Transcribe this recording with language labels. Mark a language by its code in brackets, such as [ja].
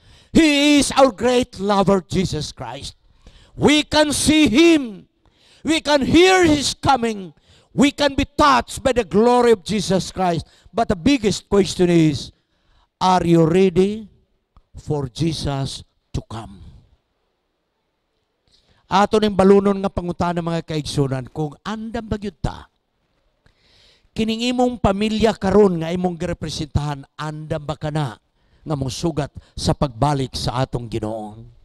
[en] He is our great lover, Jesus Christ. We can see Him. We can hear His coming. We can be touched by the glory of Jesus Christ. But the biggest question is, are you ready for Jesus to come? [ceb] Ato ning balunon nga pangutan ng mga kaigsunan, kung andam ba gyud ta? Kining imong pamilya karon nga imong girepresentahan, andam ba kana nga mong sugat sa pagbalik sa atong Ginoo?